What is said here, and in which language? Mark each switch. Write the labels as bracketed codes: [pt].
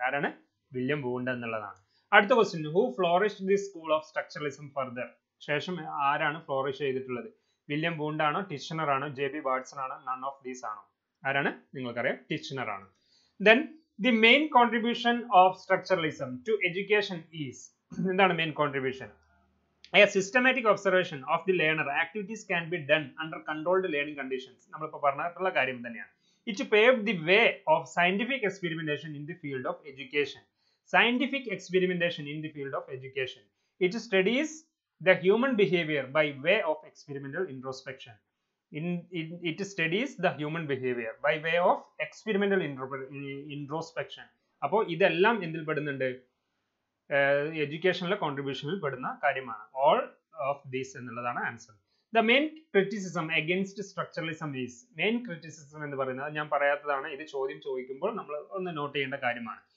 [ml] ആരാണ്, William wound എന്നുള്ളതാണ്. അടുത്ത question, [en] Who flourish the school of structuralism further. [ml] ശേഷം ആരാണ് ഫ്ലോറിഷ് ചെയ്തിട്ടുള്ളത്, വില്യം ബൂണ്ട് ആണോ, ടിച്ചണർ ആണോ, ജെ ബി വാട്സൺ ആണോ, [en] none of these [ml] ആണോ. ആരാണ്, നിങ്ങൾക്കറിയാം, ടിച്ചണർ ആണ്. [en] then the main contribution of structuralism to education is, [ml] എന്താണ് main contribution. [en] A systematic observation of the learner activities can be done under controlled learning conditions. [ml] നമ്മളിപ്പോൾ പറഞ്ഞിട്ടുള്ള കാര്യം തന്നെയാണ്. [en] It paved the way of scientific experimentation in the field of education. Scientific experimentation in the field of education. It studies the human behavior by way of experimental introspection. It studies the human behavior by way of experimental introspection. [ml] അപ്പോൾ ഇതെല്ലാം എന്തിൽ പെടുന്നുണ്ട്, എഡ്യൂക്കേഷനിലെ കോൺട്രിബ്യൂഷനിൽ പെടുന്ന കാര്യമാണ്. [en] all of these [ml] എന്നുള്ളതാണ് answer. [en] the main criticism against structuralism is, [ml] main criticism എന്ന് പറയുന്നത് ഞാൻ പറയാത്തതാണ്, ഇത് ചോദ്യം ചോദിക്കുമ്പോൾ നമ്മൾ ഒന്ന് നോട്ട് ചെയ്യേണ്ട കാര്യമാണ്.